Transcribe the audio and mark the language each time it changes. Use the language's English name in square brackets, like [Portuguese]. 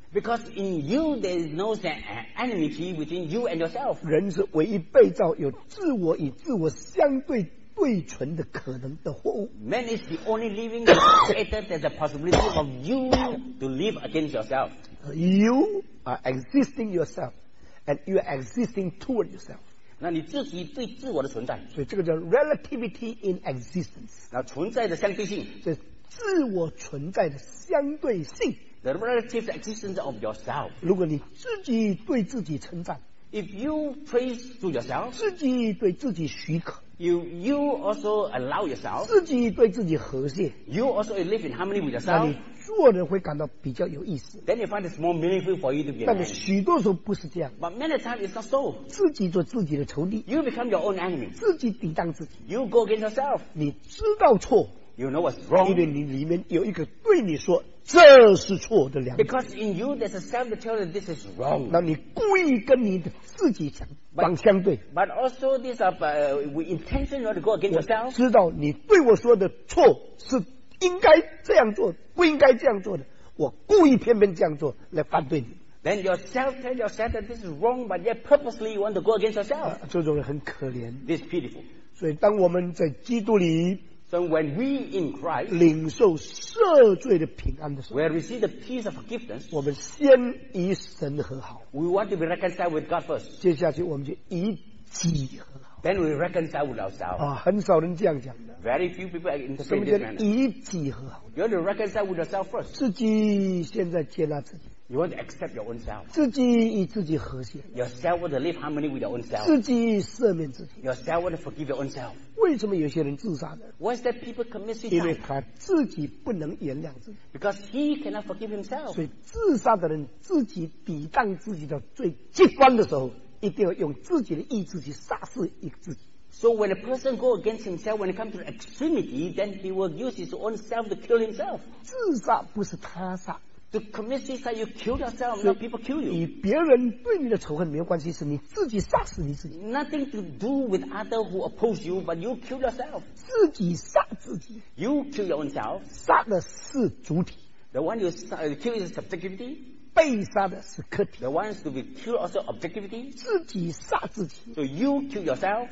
[English] Because in you there is no enmity between you and yourself. [Chinese] 人是唯一被造有自我与自我相对对存的可能的货物。 [English] Man is the only living creator that has the possibility of you to live against yourself. You are existing yourself, and you are existing toward yourself. [Chinese] 那你自己对自我的存在。所以这个叫 [English] relativity in existence. [Chinese] 那存在的相对性。这自我存在的相对性。 [English] The relative existence of yourself. [Chinese] 如果你自己对自己称赞， [English] If you praise to yourself, [Chinese] 自己对自己许可， [English] You also allow yourself, [Chinese] 自己对自己和谐， [English] You also live in harmony with yourself, [Chinese] 那你做人会感到比较有意思。 [English] Then you find it's more meaningful for you to be. [Chinese] 但是许多时候不是这样。 [English] But many times it's not so. [Chinese] 自己做自己的仇敌， [English] You become your own enemy. [Chinese] 自己抵挡自己， [English] You go against yourself. [Chinese] 你知道错， [English] You know what's wrong. [Chinese] 因为你里面有一个对你说这是错的良心。 [English] Because in you there's a self that tells you this is wrong. [Chinese] 那你故意跟你自己相相对。 [English] But also this of we intention not to go against yourself. [Chinese] 知道你对我说的错是应该这样做，不应该这样做的。我故意偏偏这样做来反对你。 [English] Then yourself tell yourself that this is wrong, but yet purposely you want to go against yourself. [Chinese] 这种人很可怜。 [English] This is pitiful. [Chinese] 所以当我们在基督里。 [English] So when we in Christ, [Chinese] 领受赦罪的平安的时候， [English] we receive the peace of forgiveness. [Chinese] 我们先与神和好。 [English] We want to be reconciled with God first. [Chinese] 接下去我们就与己和好。 [English] Then we reconcile with ourselves. [Chinese] 啊，很少人这样讲的。 [English] Very few people are interested in this manner. [Chinese] 什么叫与己和好？ [English] You want to reconcile with yourself first. [Chinese] 自己现在接纳自己。 [English] You want to accept your own self. [Chinese] 自己与自己和谐。 [English] Yourself to live harmony with your own self. [Chinese] 自己赦免自己。 [English] Yourself to forgive your own self. [Chinese] 为什么有些人自杀呢？ [English] Why is that people commit suicide? [Chinese] 因为他自己不能原谅自己。 [English] Because he cannot forgive himself. [Chinese] 所以自杀的人自己抵挡自己的最极端的时候，一定要用自己的意志去杀死自己。 [English] So when a person go against himself, when it comes to the extremity, then he will use his own self to kill himself. [Chinese] 自杀不是他杀。 [English] To commit suicide, you kill yourself, not people kill you. [Chinese] 与别人对你的仇恨没有关系，是你自己杀死你自己。 [English] Nothing to do with others who oppose you, but you kill yourself. [Chinese] 自己杀自己。 [English] You kill your own self. [Chinese] 杀的是主体。 [English] The one you kill is subjectivity. [Chinese] 被杀的是客体。 [English] The ones to be killed also objectivity. [Chinese] 自己杀自己。 [English] So you kill yourself.